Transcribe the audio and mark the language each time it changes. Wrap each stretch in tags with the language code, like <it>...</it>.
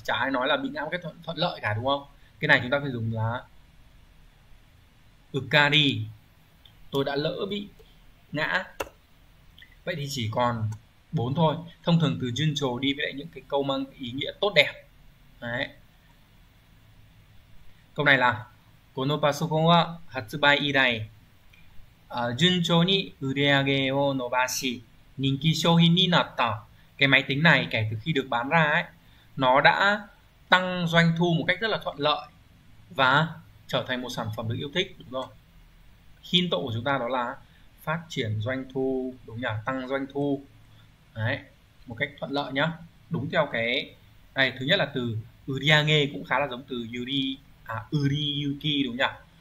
<vi>Chả ai nói là bị ngã một cách thuận lợi cả đúng không? Cái này chúng ta phải dùng là Ukari, tôi đã lỡ bị ngã. Vậy thì chỉ còn bốn thôi. Thông thường từ Jun-cho đi với lại những cái câu mang ý nghĩa tốt đẹp. Đấy. Câu này là</vi> <ja>このパソコンは発売以来、順調に売上を伸ばし、人気商品になった。</ja> <vi>Cái máy tính này kể từ khi được bán ra ấy, nó đã tăng doanh thu một cách rất là thuận lợi và trở thành một sản phẩm được yêu thích, đúng không? Hint của chúng ta đó là phát triển doanh thu, đúng nhỉ? Tăng doanh thu. Đấy, một cách thuận lợi nhá. Đúng theo cái này, thứ nhất là từ Uriage cũng khá là giống từ Yuri, à Uriyuki đúng nhỉ?</vi>